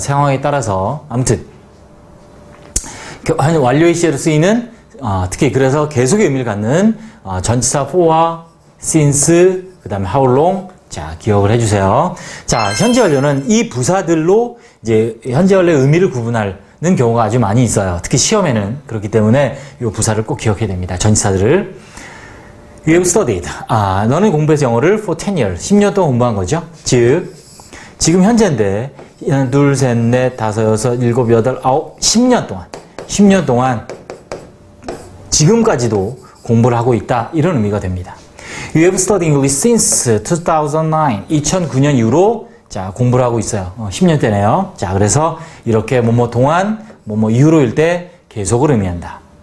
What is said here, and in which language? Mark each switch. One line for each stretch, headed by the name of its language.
Korean: 상황에 따라서. 아무튼 완료의 시제로 쓰이는 특히 그래서 계속의 의미를 갖는 전치사 for와 since 그 다음에 how long 자 기억을 해주세요. 자 현재 완료는 이 부사들로 이제 현재 완료의 의미를 구분하는 경우가 아주 많이 있어요. 특히 시험에는 그렇기 때문에 이 부사를 꼭 기억해야 됩니다.
English: 전치사들을 You have studied.
Korean: 아, 너는 공부해서 영어를
English: for 10 years.
Korean: 10년 동안 공부한 거죠. 즉, 지금 현재인데, 둘, 셋, 넷, 다섯, 여섯, 일곱, 여덟, 아홉, 10년 동안. 10년 동안 지금까지도 공부를 하고 있다. 이런 의미가 됩니다.
English: You have studied English since 2009.
Korean: 2009년 이후로 자, 공부를 하고 있어요. 10년대네요. 자, 그래서 이렇게 뭐뭐 동안, 뭐뭐 이후로일 때 계속을 의미한다.